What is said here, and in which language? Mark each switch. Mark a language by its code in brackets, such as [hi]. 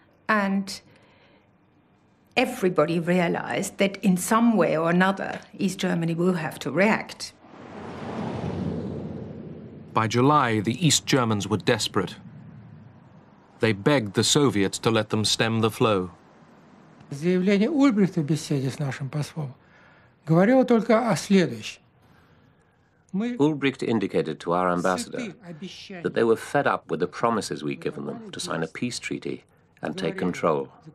[en] And everybody realized that in some way or another, East Germany will have to react. By July, the East Germans were desperate. They begged the Soviets to let them stem the flow. [ru] Заявление Ульбрихта в беседе с нашим послом говорило только о следующем. [en] Ульбрихт indicated to our ambassador that they were fed up with the promises we'd given them to sign a peace treaty and take control.